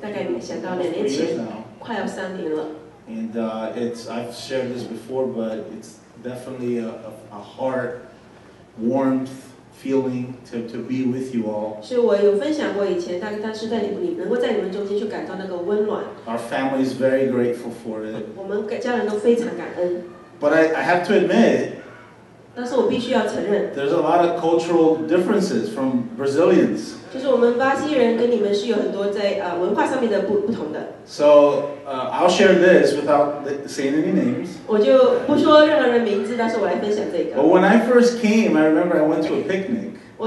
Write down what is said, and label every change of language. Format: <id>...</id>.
<zh>大概想到两年前,快要三年了。</zh> <en>And I've shared this before, but it's definitely a heart warmth feeling to be with you all.</en> <zh>是我有分享过以前，但是在你们能够在你们中间去感到那个温暖。</zh> <en>Our family is very grateful for it.</en> <zh>我们家人都非常感恩。</zh> <en>But I have to admit,</en> <zh>但是我必须要承认,</zh> <en>there's a lot of cultural differences from Brazilians.</en> <zh>就是我们巴西人跟你们是有很多在文化上面的不同的。</zh> <en>So I'll share this without saying any names.</en> <zh>我就不说任何人名字，但是我来分享这个。</zh> <en>But when I first came, I remember I went to a picnic.</en>